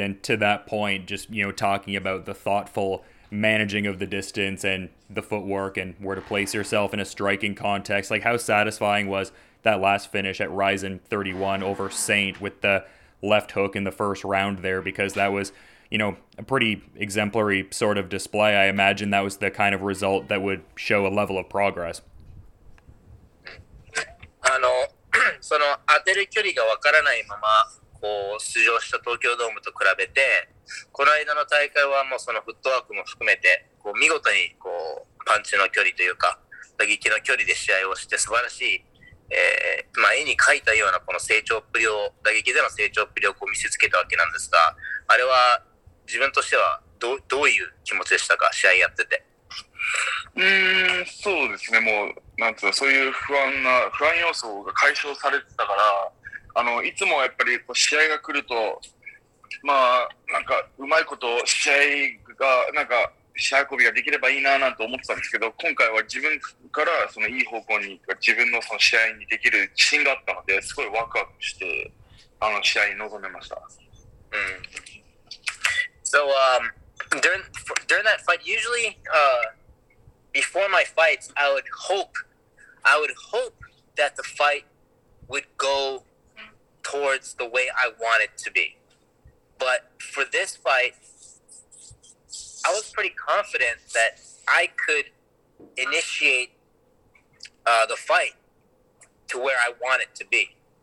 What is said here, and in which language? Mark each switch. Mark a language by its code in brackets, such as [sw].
[en] And to that point, just, you know, talking about the thoughtful managing of the distance and the footwork and where to place yourself in a striking context, like how satisfying was that last finish at Ryzen 31 over Saint with the left hook in the first round there, because that was, you know, a pretty exemplary sort of display. I imagine that was the kind of result that would show a level of progress. I know. [ja] その当てる距離がわからないままこう出場した東京ドームと比べて、この間の大会はもうそのフットワークも含めてこう見事にこうパンチの距離というか打撃の距離で試合をして素晴らしい、まあ絵に描いたようなこの成長っぷりを、打撃での成長っぷりをこう見せつけたわけなんですが、あれは自分としてはどういう気持ちでしたか、試合やってて。そうですね、もうなんつうの、そういう不安要素が解消されてたから、あのいつもやっぱりこう試合が来ると、まあなんかうまいこと試合がなんか試合運びができればいいななんて思ってたんですけど、今回は自分からそのいい方向に、自分のその試合にできる自信があったので、すごいワクワクしてあの試合に臨めました。 [en] So, during that fight, usually, before my fights, I would hope that the fight would go towards the way I want it to be. But for this fight, I was pretty confident that I could initiate the fight to where I want it to be.